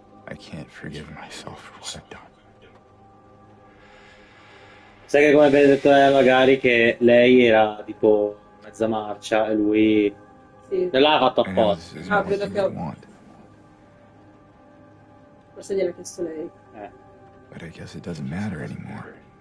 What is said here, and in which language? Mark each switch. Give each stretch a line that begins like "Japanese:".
English: I can't forgive myself for what I've done.
Italian: Sai che come avete detto magari che lei era tipo mezza marcia e lui sì. Non l'ha fatto apposta. Ah, credo che forse gliel'ha chiesto lei.
English: But I guess it doesn't matter anymore.